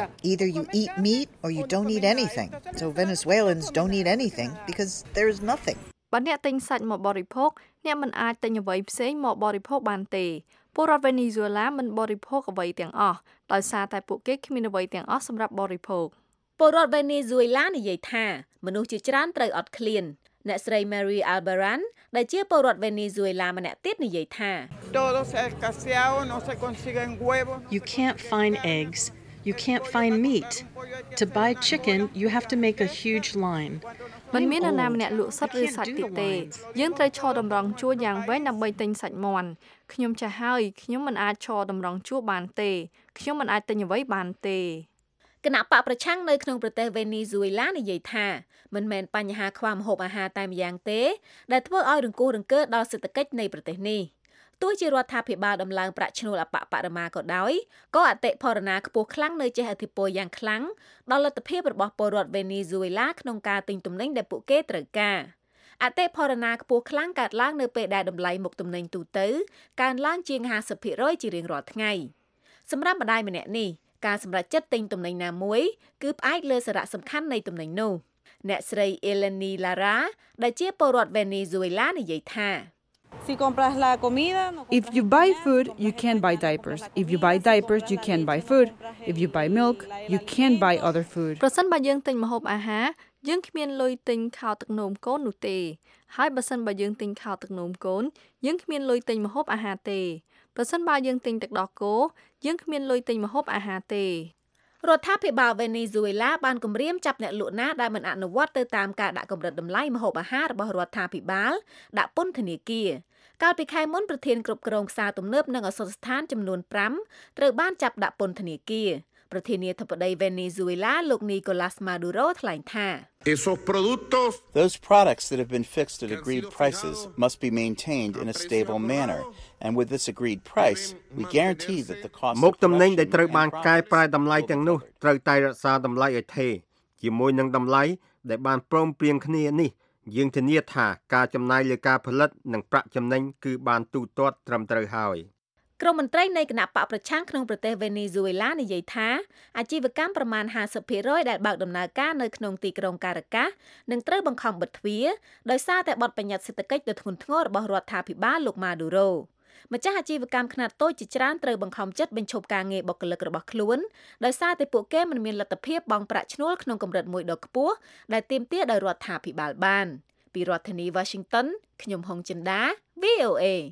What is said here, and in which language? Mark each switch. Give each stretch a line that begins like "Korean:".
English: Either you eat meat or you don't eat anything. So Venezuelans don't eat anything because there is nothing.
Khmer: បើអ្នកទិញសាច់មកបរិភោគអ្នកមិនអាចទិញអ្វីផ្សេងមកបរិភោគបានទេពលរដ្ឋ Venezuela មិនបរិភោគអ្វីទាំងអស់ដោយសារតែពួកគេគ្មានអ្វីទាំងអស់សម្រាប់បរិភោគ ពលរដ្ឋ Venezuela និយាយថាមនុស្សជាច្រើនត្រូវអត់ឃ្លានអ្នកស្រី Mary Albaran ដែលជាពលរដ្ឋ Venezuela ម្នាក់ទៀតនិយាយថា
Spanish: Todos escaseados, no se consiguen huevos.
English: You can't find eggs, you can't find meat. To buy chicken, you have to make a huge line.
Khmer: មិនមាននរណាម្នាក់លក់សត្វឬសាច់ទេយើងត្រូវឈរតម្រង់ជួរយ៉ាងវែងដើម្បីទិញសាច់មាន់ខ្ញុំចាស់ហើយខ្ញុំមិនអាចឈរតម្រង់ជួរបានទេខ្ញុំមិនអាចទិញអ្វីបានទេ គណៈបកប្រឆាំងនៅក្នុងប្រទេសវេនេស៊ុយឡានិយាយថាមិនមែនបញ្ហាខ្វះម្ហូបអាហារតែម្យ៉ាងទេដែលធ្វើឲ្យរង្គោះរង្គើដល់សេដ្ឋកិច្ចនៃប្រទេសនេះទោះជារដ្ឋាភិបាលដំឡើងប្រាក់ឈ្នួលអបបរមាក៏ដោយក៏អតិផរណាខ្ពស់ខ្លាំងនៅចេះឥទ្ធិពលយ៉ាងខ្លាំងដល់លទ្ធភាពរបស់ពលរដ្ឋវេនេស៊ុយឡាក្នុងការទិញទំនិញដែលពួកគេត្រូវការអតិផរណាខ្ពស់ខ្លាំងកើតឡើងនៅពេលដែលតម្លៃមុខទំនិញទូទៅកើនឡើងជាង 50% ជារៀងរាល់ថ្ងៃ សម្រាប់ម្ដាយម្នាក់នេះការសម្រេចចិត្តទិញទំនិញណាមួយគឺផ្អែកលើសារៈសំខាន់នៃទំនិញនោះអ្នកស្រី Eleni Lara ដែលជាពលរដ្ឋវេនេស៊ុយឡានិយាយថា
English: If you buy food, you can buy diapers. If you buy diapers, you can buy food. If you buy milk, you can buy other food.
Khmer: ប្រសិនបើយើងទិញម្ហូបអាហារយើងគ្មានលុយទិញខោទឹកនោមកូននោះទេហើយបើសិនបើយើងទិញខោទឹកនោមកូនយើងគ្មានលុយទិញម្ហូបអាហារទេប្រសិនបើយើងទិញទឹកដោះគោយើងគ្មានលុយទិញម្ហូបអាហារទេ រដ្ឋាភិបាលវេនេស៊ុយឡាបានគម្រាមចាប់អ្នកលក់ណាដែលមិនអនុវត្តទៅតាមការដាក់កម្រិតតម្លៃម្ហូបអាហាររបស់រដ្ឋាភិបាលដាក់ពន្ធនាគារកាលពីខែមុនប្រធានគ្រប់គ្រងផ្សារទំនើបនិងឱសថស្ថានចំនួន5ត្រូវបានចាប់ដាក់ពន្ធនាគារប្រធានាធិបតីវេនេស៊ុយឡាលោកនីកូឡាស마ឌូរ៉ូថ្លែងថា
English: Those products that have been fixed at agreed prices must be maintained in a stable manner. And with this agreed price, we guarantee that the cost
Khmer: មកតំណែងដែលត្រូវបានកែប្រែតម្លៃទាំងនោះត្រូវតែរក្សាតម្លៃឲ្យថេរជាមួយនឹងតម្លៃដែលបានព្រមព្រៀងគ្នានេះយើងធានាថាការចំណាយលើការផលិតនិងប្រាក់ចំណេញគឺបានទូទាត់ត្រឹមត្រូវហើយ ក្រុមមន្ត្រីនៃគណៈបកប្រឆាំងក្នុងប្រទេសវេនេស៊ុយឡានិយាយថាអាជីវកម្មប្រមាណ 50% ដែលបើកដំណើរការនៅក្នុងទីក្រុងការ៉ាកាសនឹងត្រូវបង្ខំបិទទ្វារដោយសារតែបទបញ្ញត្តិសេដ្ឋកិច្ចដ៏ធ្ងន់ធ្ងររបស់រដ្ឋាភិបាលលោកម៉ាឌូរ៉ូម្ចាស់អាជីវកម្មខ្នាតតូចជាច្រើនត្រូវបង្ខំចិត្តបញ្ឈប់ការងារបុគ្គលិករបស់ខ្លួនដោយសារតែពួកគេមិនមានលទ្ធភាពបង់ប្រាក់ឈ្នួលក្នុងកម្រិតមួយដ៏ខ្ពស់ដែលទាមទារដោយរដ្ឋាភិបាលបានពីរដ្ឋធានី Washington ខ្ញុំហុងចិនដា VOA